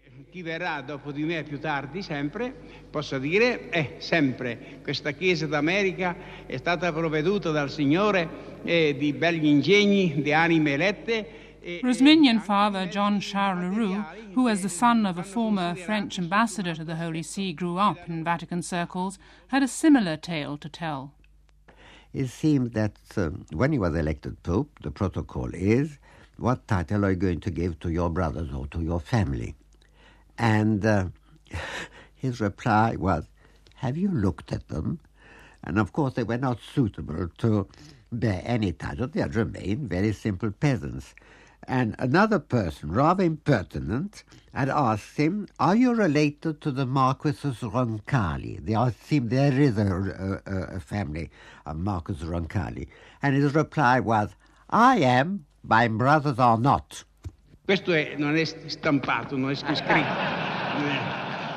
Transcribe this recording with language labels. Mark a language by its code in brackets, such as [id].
[it] Chi verrà dopo di me più tardi, sempre, posso dire, sempre, questa Chiesa d'America è stata provveduta dal Signore di begli ingegni, di anime elette. [en] Rosminian father John Charles Leroux, who as the son of a former French ambassador to the Holy See grew up in Vatican circles, had a similar tale to tell. It seemed that when he was elected Pope, the protocol is, what title are you going to give to your brothers or to your family? And his reply was, "Have you looked at them?" And of course, they were not suitable to bear any title. They had remained very simple peasants. And another person, rather impertinent, had asked him, "Are you related to the Marquis of Roncalli?" They seemed there is a family of Marquis Roncalli. And his reply was, "I am, my brothers are not." [it] Questo è, non è stampato, non è scritto.